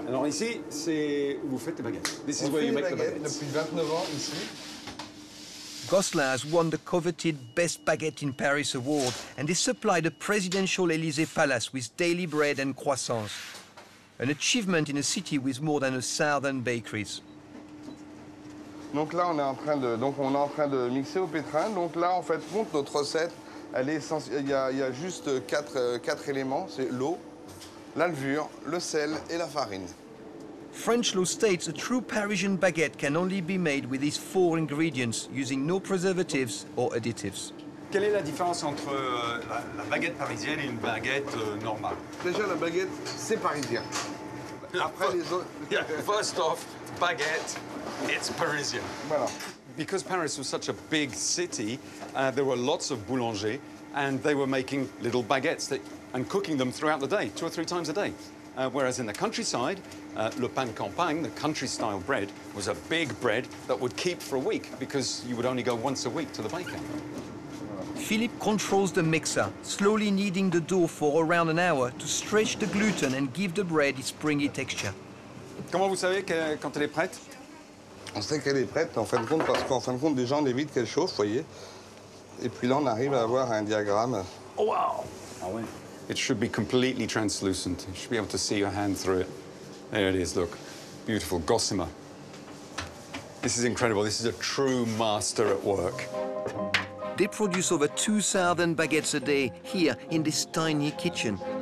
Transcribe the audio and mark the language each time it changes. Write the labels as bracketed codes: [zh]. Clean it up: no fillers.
[fr] Alors ici, c'est où vous faites les baguettes. [en] This is on where you make baguettes the baguettes. [fr] Depuis 29 ans, ici. [en] Gosselin has won the coveted Best Baguette in Paris award, and they supply the presidential Élysée Palace with daily bread and croissants. An achievement in a city with more than 1,000 bakeries. [fr] Donc là, on est en train de mixer au pétrin. Donc là, en fait, compte notre recette. Elle est essentielle. Il y a juste quatre éléments. C'est l'eau, la levure, le sel et la farine. [en] French law states a true Parisian baguette can only be made with these four ingredients, using no preservatives or additives. [fr] Quelle est la différence entre la baguette parisienne et une baguette normale? Déjà, la baguette, c'est parisien. Après les autres. [en] Yeah. First off, baguette, it's Parisian. [fr] Voilà. [en] Because Paris was such a big city, there were lots of boulangers, and they were making little baguettes and cooking them throughout the day, two or three times a day. Whereas in the countryside, le pain campagne, the country-style bread, was a big bread that would keep for a week because you would only go once a week to the baker. Philippe controls the mixer, slowly kneading the dough for around an hour to stretch the gluten and give the bread its springy texture. [fr] Comment vous savez que, quand elle est prête? On sait qu'elle est prête, en fin de compte, parce qu'en fin de compte, déjà, on évite qu'elle chauffe, voyez. Et puis là, on arrive à avoir un diagramme. [en] Oh, wow! [fr] Ah oui. [en] It should be completely translucent. You should be able to see your hand through it. There it is, look. Beautiful gossamer. This is incredible. This is a true master at work. They produce over 2,000 baguettes a day here in this tiny kitchen.